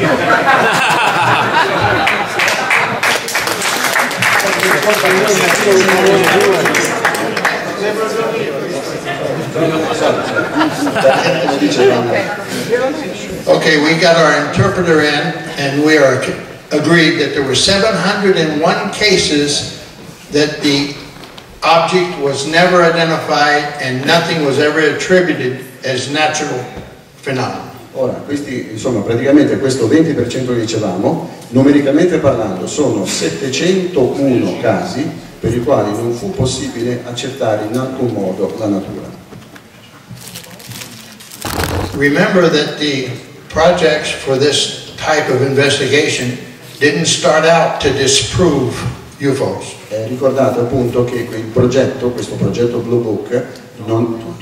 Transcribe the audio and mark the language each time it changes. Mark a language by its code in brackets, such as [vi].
[en] Okay, we got our interpreter in and we are agreed that there were 701 cases that the object was never identified and nothing was ever attributed as natural phenomenon. [it] Ora, questi, insomma, praticamente questo 20% che dicevamo, numericamente parlando, sono 701 casi per i quali non fu possibile accertare in alcun modo la natura. [en] Remember that the projects for this type of investigation didn't start out to disprove UFOs. [it] Ricordate appunto che il progetto, questo progetto Blue Book, non